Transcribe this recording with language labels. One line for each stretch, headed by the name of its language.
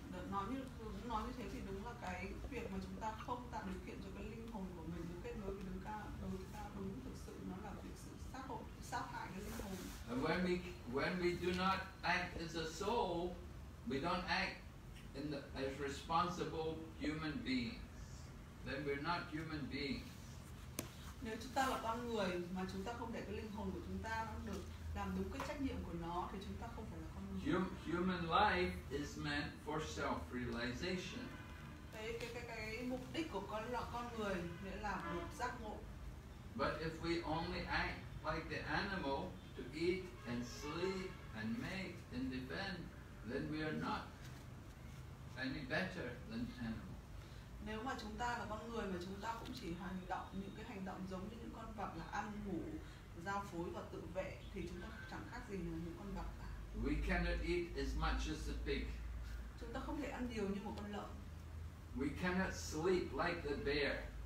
Vietnamese: Nói như thế thì đúng là cái việc mà chúng ta không tạo điều kiện cho cái linh hồn của mình được kết nối với đấng cao, đấng cao đúng thực sự nó là việc sự sát hại cái linh hồn.
English: And when we do not act as a soul, we don't act in the, as responsible human beings. Then we're not human beings.
Vietnamese: Nếu chúng ta là con người mà chúng ta không để cái linh hồn của chúng ta được làm đúng cái trách nhiệm của nó thì chúng ta không phải là con người.
English: Human life is meant for self-realization.
Vietnamese: Cái mục đích của con người để làm được giác ngộ.
English: But if we only act like the animal to eat and sleep and mate and defend, then we are not any better than animals.
Vietnamese: Nếu mà chúng ta là con người mà chúng ta cũng chỉ hành động những cái hành động giống như những con vật là ăn ngủ, giao phối và tự vệ thì chúng ta chẳng khác gì là những con vật cả.
English: We cannot eat as much as a pig.
Vietnamese: Chúng ta không thể ăn nhiều như một con lợn.
English: We cannot sleep like the bear.